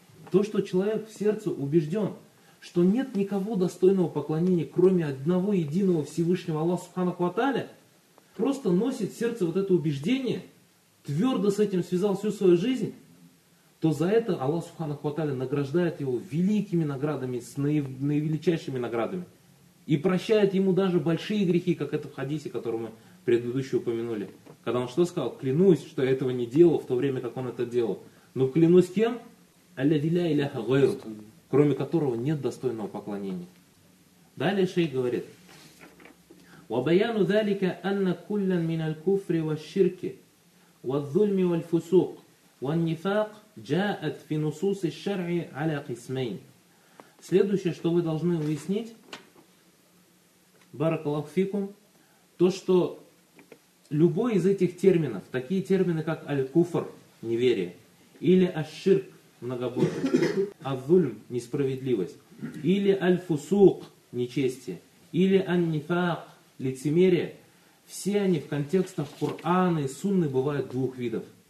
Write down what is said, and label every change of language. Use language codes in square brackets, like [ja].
[ru] То, что человек в сердце убежден, что нет никого достойного поклонения, кроме одного единого Всевышнего Аллаха Субханаху ва Тааля, просто носит в сердце вот это убеждение, твердо с этим связал всю свою жизнь, то за это Аллах Субханаху ва Тааля награждает его великими наградами, с наивеличайшими наградами. И прощает ему даже большие грехи, как это в хадисе, который мы предыдущий упомянули. Когда он что сказал? Клянусь, что я этого не делал в то время, как он это делал. Но клянусь кем? [ar] Аллази ля иляха гайру, [ru] кроме которого нет достойного поклонения. Далее шейх говорит: [ar] وَبَيَانُ ذَلِكَ أَنَّ كُلًّا مِنَ الْكُفْرِ وَالشِّرْكِ وَالظُّلْمِ وَالْفُسُوقِ وَالنِّفَاقِ جَاءَتْ فِي نُصُوصِ الشَّرْعِ عَلَى قِسْمَيْنِ. [ru] Следующее, что вы должны уяснить, баракаллаху фикум, то, что любой из этих терминов, такие термины, как аль-куфр, неверие, или аш-ширк, многобожие, аз-зульм, несправедливость, или аль-фусук, нечестие, или ан-нифак, лицемерие, все они в контекстах Кур'ана и Сунны бывают двух видов.